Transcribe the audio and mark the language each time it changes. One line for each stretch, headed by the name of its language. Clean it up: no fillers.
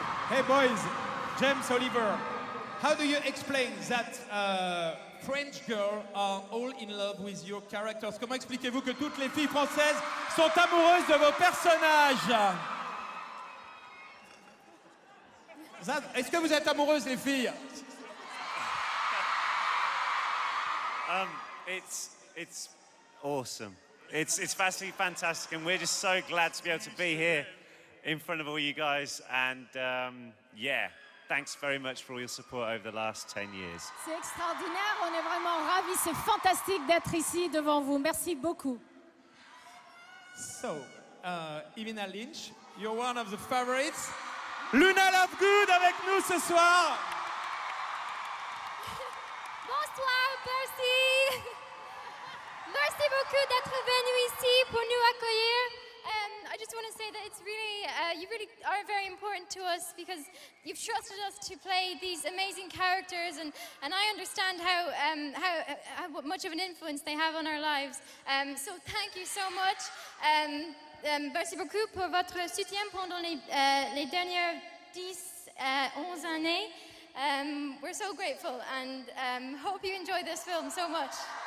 English: Hey boys, James Oliver, how do you explain that French girls are all in love with your characters?
French: Comment expliquez-vous que toutes les filles françaises sont amoureuses de vos personnages? That, est-ce que vous êtes amoureuses les filles?
English: It's awesome. It's absolutely fantastic, and we're just so glad to be able to be here in front of all you guys, and yeah, thanks very much for all your support over the last 10 years.
French: C'est extraordinaire, on est vraiment ravis, c'est fantastique d'être ici devant vous. Merci beaucoup.
English: So, Ivana Lynch, you're one of the favorites.
French: Luna Lovegood avec nous ce soir. Bonsoir, Percy. Merci beaucoup d'être venu ici pour nous accueillir.
English: I just want to say that it's really, you really are very important to us because you've trusted us to play these amazing characters, and I understand how much of an influence they have on our lives. So thank you so much.
French: Merci beaucoup pour votre soutien pendant les dernières 10-11 années.
English: We're so grateful and hope you enjoy this film so much.